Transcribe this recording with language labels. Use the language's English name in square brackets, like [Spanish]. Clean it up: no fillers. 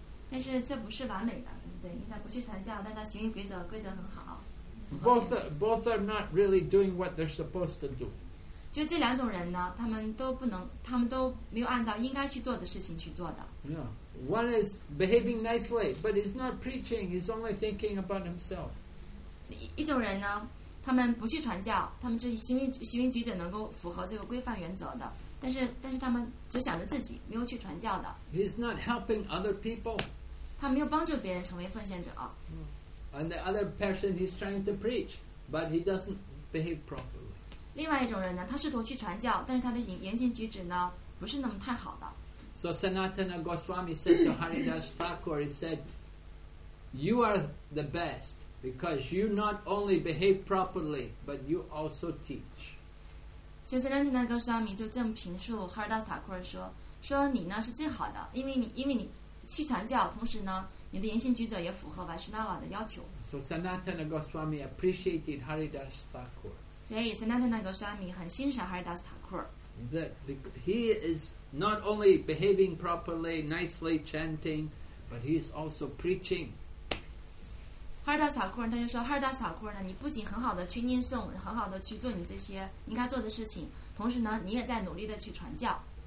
[Chinese] 但是这不是完美的，对不对？应该不去传教，但他行为规则很好。 [English] Both are not really doing what they're supposed to do. [Chinese] 就这两种人呢，他们都不能，他们都没有按照应该去做的事情去做的。 [English] Yeah, one is behaving nicely, but he's not preaching. He's only thinking about himself. [Chinese] 一种人呢，他们不去传教，他们就行为举止能够符合这个规范原则的，但是他们只想着自己，没有去传教的。 [English] He's not helping other people. [Chinese] 他没有帮助别人成为奉献者。 [English] Yeah. And the other person, he's trying to preach, but he doesn't behave properly. [Chinese] 另外一种人呢，他试图去传教，但是他的言行举止呢，不是那么太好的。 [English] So Sanatana Goswami said to Haridas Thakur, he said, "You are the best because you not only behave properly, but you also teach." [Chinese] So Sanatana Goswami 就这么评述 Haridas Thakur 说你呢是最好的，因为你去传教，同时呢。你的言行举止也符合 Vaishnava 的要求。 [English] So Sanatana Goswami appreciated Haridas Thakur. [Chinese] 所以 Sanatana Goswami 很欣赏 Haridas Thakur. [English] That he is not only behaving properly, nicely chanting, but he is also preaching. [Chinese] Haridas Thakur 他就说 ，Haridas Thakur 呢，你不仅很好的去念诵，很好的去做你这些应该做的事情，同时呢，你也在努力的去传教。